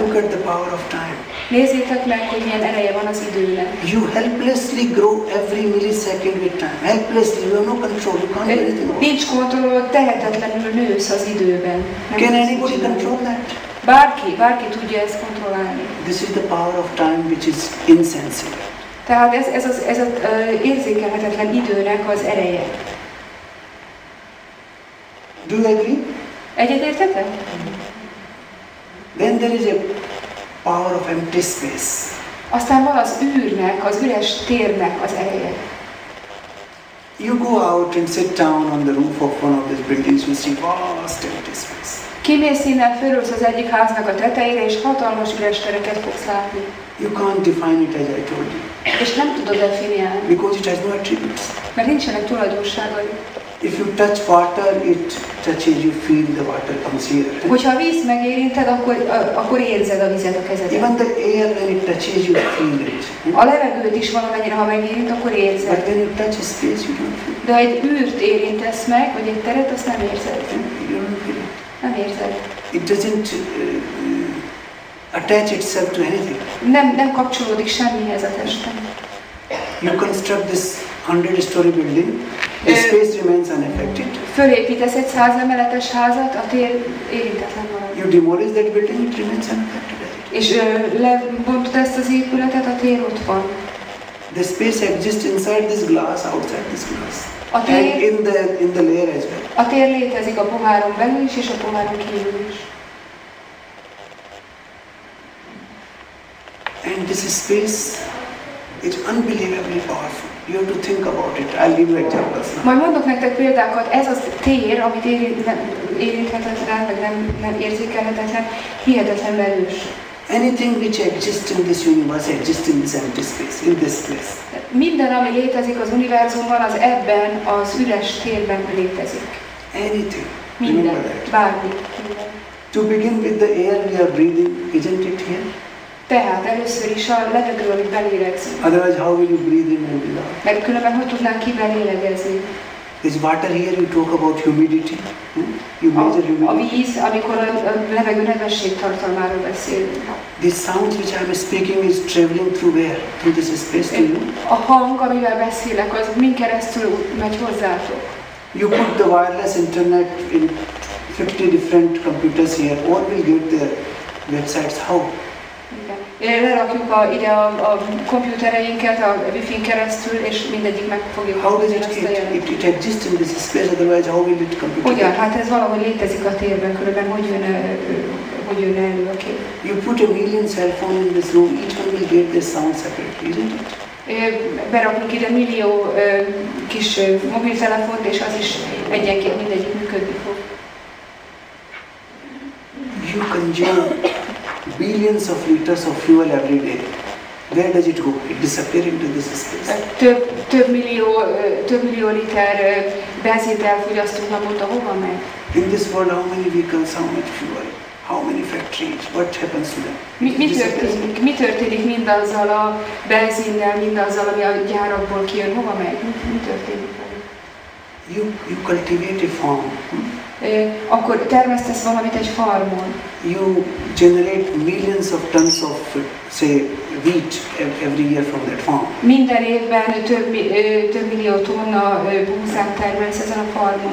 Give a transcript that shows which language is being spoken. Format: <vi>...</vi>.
<en>Look at the power of time.</en> <hu>Nézzétek meg, hogy milyen ereje van az időnek.</hu> <en>You helplessly grow every millisecond with time. Helplessly, you have no control, you can't do anything about it.</en> <hu>Nincs kontroll, tehetetlenül nősz az időben.</hu> <en>Can anybody control that?</en> <hu>Bárki tudja ezt kontrollálni.</hu> <en>This is the power of time which is insensible.</en> <hu>Tehát ez az érzékelhetetlen időnek az ereje.</hu> <en>Do you agree?</en> <hu>Egyetértetek?</hu> <en>Then there is a power of empty space.</en> <hu>Aztán van az űrnek, az üres térnek az ereje.</hu> <en>You go out and sit down on the roof of one of these buildings, you see vast empty space.</en> <hu>Kimész innen, fölülsz az egyik háznak a tetejére, és hatalmas üres tereket fogsz látni.</hu> <en>You can't define it as I told you.</en> <hu>És nem tudod definiálni.</hu> <en>Because it has no attributes.</en> <hu>Mert nincsenek tulajdonságai.</hu> <en>If you touch water, it touches you, feel the water comes here.</en> <hu>Hogyha a víz megérinted, akkor érzed a vizet a kezedben.</hu> <en>Even the air, when it touches you, feel it.</en> <hu>A levegőt is valamennyire, ha megérint, akkor érzed.</hu> <en>But when you touch a space, you don't feel.</en> <hu>De egy űrt érintesz meg, vagy egy teret, azt nem érzed. Nem érzed.</hu> <en>It doesn't attach itself to anything.</en> <hu>Nem kapcsolódik semmihez a testem.</hu> <en>You construct this 100-story building. The space remains unaffected.</en> <hu>Fölépítesz egy 100 emeletes házat, a tér érintetlen marad.</hu> <en>You demolish that building, it remains unaffected.</en> <hu>És lebontod ezt az épületet, a tér ott van.</hu> <en>The space exists inside this glass, outside this glass. And in the layer as well.</en> <hu>A tér létezik a poháron belül is, és a poháron kívül is.</hu> <en>And this space is unbelievably powerful. You have to think about it. I'll give you examples now.</en> <hu>Majd mondok nektek példákat. Ez az tér, amit érinthetetlen, meg nem érzékelhetetlen, hihetetlen erős.</hu> <en>Anything which exists in this universe exists in this empty space, in this place.</en> <hu>Minden, ami létezik az univerzumban, az ebben az üres térben létezik.</hu> <en>Anything.</en> <hu>Minden. Bármi.</hu> <en>To begin with, the air we are breathing, isn't it here?</en> <hu>Tehát először is a levegő, amit belélegzünk.</hu> <en>Otherwise, how will you breathe in and breathe out?</en> <hu>Mert különben hogy tudnánk ki belélegezni?</hu> <en>Is water here? You talk about humidity. You measure humidity.</en> <hu>A víz, amikor a levegő nedvesség tartalmáról beszélünk.</hu> <en>This sound which I am speaking is traveling through where? Through this space to you?</en> <hu>A hang, amivel beszélek, az min keresztül megy hozzátok.</hu> <en>You put the wireless internet in 50 different computers here. All will get their websites. How?</en> <hu>Lerakjuk ide a komputereinket, a wifi-n keresztül, és mindegyik meg fogja kapni ezt a jelent.</hu> <en>How does it exist in this space, otherwise how will it come to you?</en> <hu>Ugyan, hát ez valahogy létezik a térben, különben hogy jön elő a kép.</hu> <en>You put a million cell phone in this room, each one will get the sound separately, isn't it?</en> <hu>beraknunk ide millió kis mobiltelefont, és az is egyenként mindegyik működni fog.</hu> <en>You consume billions of liters of fuel every day. Where does it go? It disappears into this space.</en> <hu>Több millió liter benzint elfogyasztunk naponta, hova megy?</hu> <en>In this world, how many vehicles, how much fuel? How many factories? What happens to them?</en> <hu>Mi történik mindazzal a benzinnel, mindazzal, ami a gyárakból kijön? Hova megy? Mi történik?</hu> <en>You cultivate a farm.</en> <hu>Akkor termesztesz valamit egy farmon.</hu> <en>You generate millions of tons of, say, wheat every year from that farm.</en> <hu>Minden évben több millió tonna búzát termelsz ezen a farmon.</hu>